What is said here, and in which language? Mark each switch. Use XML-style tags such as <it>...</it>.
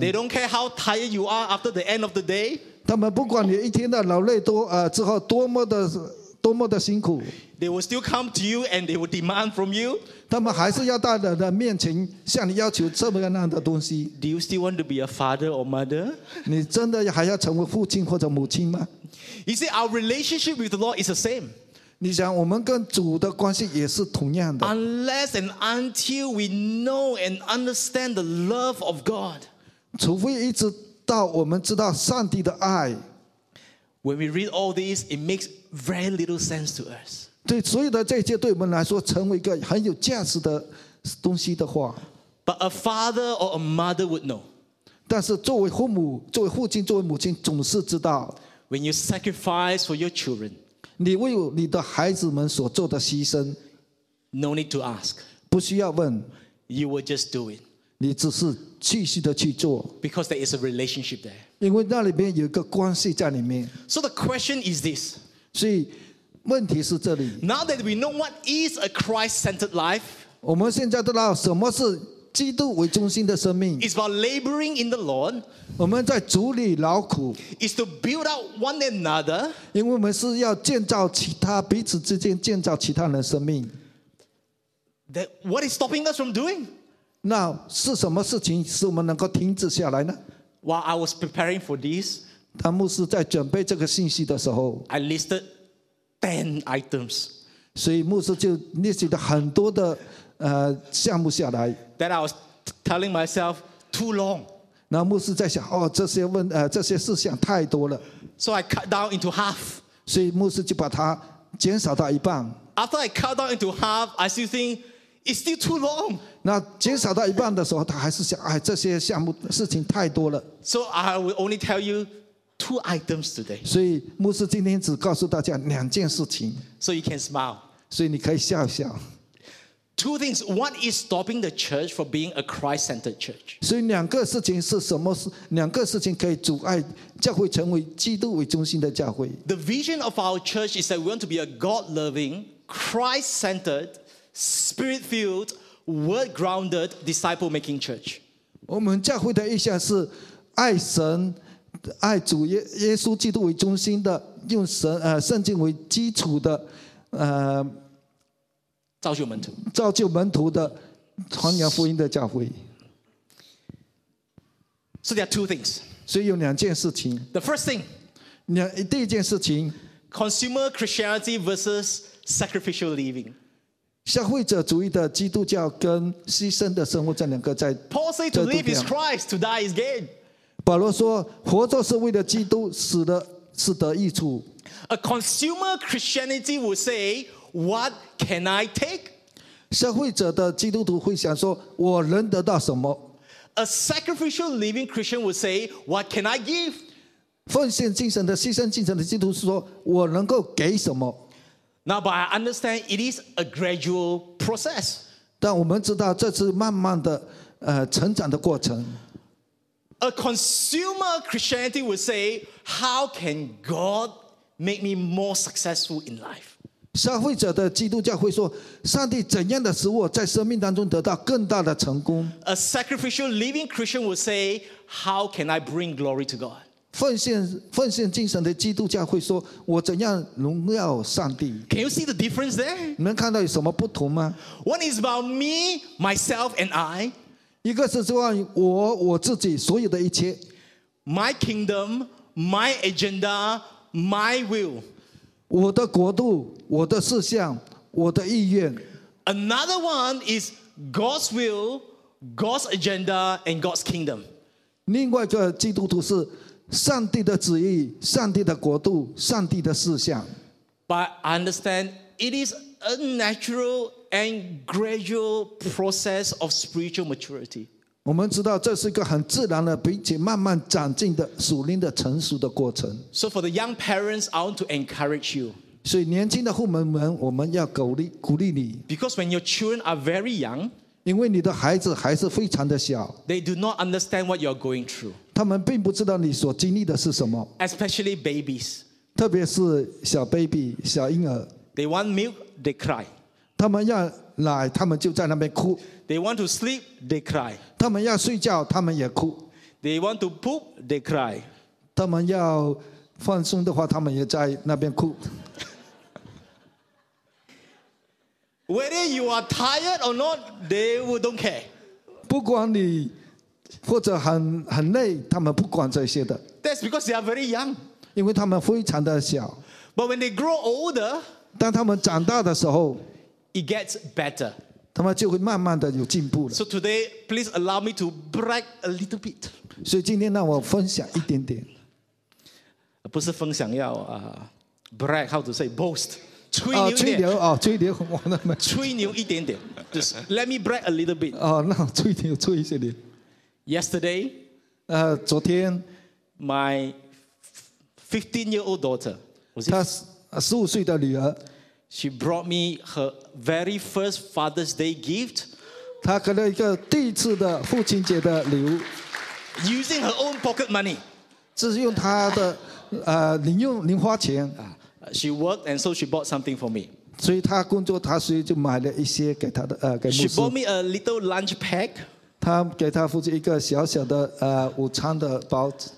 <en>They don't care how tired you are after the end of the day.</en> <zh>他们不管你一天的劳累多之后多么的多么的辛苦</zh> <en>，They will still come to you and they will demand from you。</en> <zh>他们还是要到你的面前向你要求这么样的东西。</zh> <en>Do you still want to be a father or mother？</en> <zh>你真的还要成为父亲或者母亲吗</zh> <en>？You see, our relationship with the Lord is the same。</en> <zh>你想我们跟主的关系也是同样的。</zh> <en>Unless and until we know and understand the love of God，</en> <zh>除非一直到我们知道上帝的爱。</zh> <en>When we read all this, it makes very little sense to us.</en> <zh>对所有的这些对我们来说成为一个很有价值的东西的话。</zh> <en>But a father or a mother would know.</en> <zh>但是作为父母作为父亲作为母亲总是知道。</zh> <en>When you sacrifice for your children,</en> <zh>你为你的孩子们所做的牺牲</zh> <en>no need to ask.</en> <zh>不需要问</zh> <en>you will just do it.</en> <zh>你只是继续的去做。</zh> <en>Because there is a relationship there.</en> <zh>因为那里面有一个关系在里面。</zh> <en>So the question is this.</en> <zh>所以问题是这里。</zh> <en>Now that we know what is a Christ-centered life,</en> <zh>我们现在知道什么是基督为中心的生命。</zh> <en>It's about laboring in the Lord.</en> <zh>我们在主里劳苦。</zh> <en>It's to build up one another.</en> <zh>因为我们是要建造其他彼此之间建造其他人的生命。</zh> <en>That what is stopping us from doing?</en> <zh>那是什么事情使我们能够停止下来呢？</zh> <en>While I was preparing for this,</en> <zh>当牧师在准备这个信息的时候</zh> <en>I listed 10 items.</en> <zh>所以牧师就 listed 很多的项目下来</zh> <en>That I was telling myself too long.</en> <zh>那牧师在想哦这些问这些事项太多了</zh> <en>So I cut down into half.</en> <zh>所以牧师就把它减少到一半</zh> <en>After I cut down into half, I still think it's still too long.</en> <zh>那减少到一半的时候，他还是想，哎，这些项目事情太多了。</zh> <en>So I will only tell you two items today.</en> <zh>所以牧师今天只告诉大家两件事情。</zh> <en>So you can smile.</en> <zh>所以你可以笑一笑。</zh> <en>Two things. What is stopping the church from being a Christ-centered church?</en> <zh>所以两个事情是什么？两个事情可以阻碍教会成为基督为中心的教会。</zh> <en>The vision of our church is that we want to be a God-loving, Christ-centered, Spirit-filled. Word grounded disciple making church.</en> <zh>我们教会的意向是爱神、爱主耶稣基督为中心的，用神圣经为基础的造就门徒，造就门徒的传扬福音的教会。</zh> <en>So there are two things.</en> <zh>所以有两件事情。</zh> <en>The first thing.</en> <zh>第一件事情。</zh> <en>Consumer Christianity versus sacrificial living.</en> <zh>消费者主义的基督教跟牺牲的生活这两个在</zh> <en>Paul said to live is Christ, to die is gain.</en> <zh>保罗说活着是为了基督死的是得益处</zh> <en>A consumer Christianity would say what can I take?</en> <zh>消费者的基督徒会想说我能得到什么</zh> <en>A sacrificial living Christian would say what can I give?</en> <zh>奉献精神的牺牲精神的基督徒说我能够给什么</zh> <en>Now, but I understand it is a gradual process.</en> <zh>但我们知道这是慢慢的成长的过程。</zh> <en>A consumer Christianity would say, how can God make me more successful in life?</en> <zh>消费者的基督教会说上帝怎样的使我在生命当中得到更大的成功。</zh> <en>A sacrificial living Christian would say, how can I bring glory to God?</en> <zh>奉献精神的基督教会说我怎样荣耀上帝</zh> <en>Can you see the difference there?</en> <zh>能看到有什么不同吗</zh> <en>One is about me, myself and I</en> <zh>一个是说我自己所有的一切</zh> <en>My kingdom, my agenda, my will</en> <zh>我的国度我的事项我的意愿</zh> <en>Another one is God's will, God's agenda and God's kingdom</en> <zh>另外一个基督徒是上帝的旨意上帝的国度上帝的事项</zh> <en>But I understand it is a natural and gradual process of spiritual maturity</en> <zh>我们知道这是一个很自然的并且慢慢长进的属灵的成熟的过程</zh> <en>So for the young parents I want to encourage you</en> <zh>所以年轻的父母们我们要鼓励你</zh> <en>Because when your children are very young</en> <zh>因为你的孩子还是非常的小</zh> <en>They do not understand what you are going through</en> <zh>他们并不知道你所经历的是什么</zh> <en>Especially babies</en> <zh>特别是小 baby 小婴儿</zh> <en>They want milk, they cry</en> <zh>他们要奶他们就在那边哭</zh> <en>They want to sleep, they cry</en> <zh>他们要睡觉他们也哭</zh> <en>They want to poop, they cry</en> <zh>他们要放松的话，他们也在那边哭。</zh> <en>Whether you are tired or not, they will don't care.</en> <zh>不管你或者很累，他们不管这些的。</zh> <en>That's because they are very young.</en> <zh>因为他们非常的小。</zh> <en>But when they grow older,</en> <zh>当他们长大的时候</zh> <en>，it gets better.</en> <zh>他们就会慢慢的有进步了。</zh> <en>So today, please allow me to brag a little bit.</en> <zh>所以今天让我分享一点点。不是分享要啊、</zh> <en>brag, how to say boast.</en> <zh>吹牛啊！吹牛啊！吹牛一点点</zh> <en>，just let me brag a little bit.</en> <zh>哦，那吹牛吹一些点。</zh> <en>Yesterday,</en> <zh>昨天</zh> <en>，my 15-year-old daughter,</en> <zh>她十五岁的女儿</zh> <en>，she brought me her very first Father's Day gift.</en> <zh>她给了一个第一次的父亲节的礼物</zh> <en>，using her own pocket money.</en> <zh>这是用她的零用零花钱。</zh> <en>She worked, and so she bought something for me.</en> <zh>所以她工作，她所以就买了一些给她的给牧师。</zh> <en>She bought me a little lunch pack.</en> <zh>她给她父亲一个小小的午餐的包。</zh>